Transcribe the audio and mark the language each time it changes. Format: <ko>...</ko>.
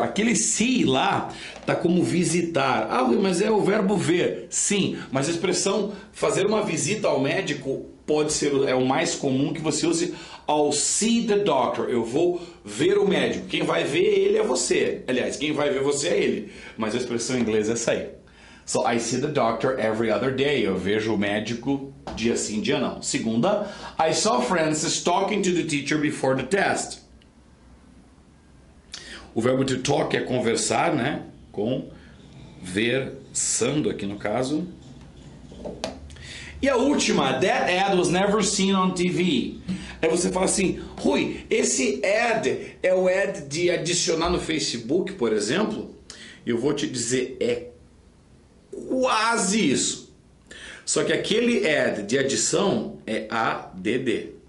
<pt>Aquele see lá tá como visitar. Ah, mas é o verbo ver. Sim, mas a expressão fazer uma visita ao médico pode ser, é o mais comum que você use.</pt> <en>I'll see the doctor.</en> <pt>Eu vou ver o médico. Quem vai ver ele é você. Aliás, quem vai ver você é ele. Mas a expressão em inglês é essa aí.</pt> <en>So, I see the doctor every other day.</en> <pt>Eu vejo o médico dia sim, dia não.</pt> <en>Segunda, I saw Francis talking to the teacher before the test.</en> <pt>O verbo to talk é conversar, né? Conversando aqui no caso. E a última,</pt> <en>that ad was never seen on TV.</en> <pt>É você falar assim, Rui, esse ad é o ad de adicionar no Facebook, por exemplo? Eu vou te dizer, é quase isso. Só que aquele ad de adição é ADD.</pt>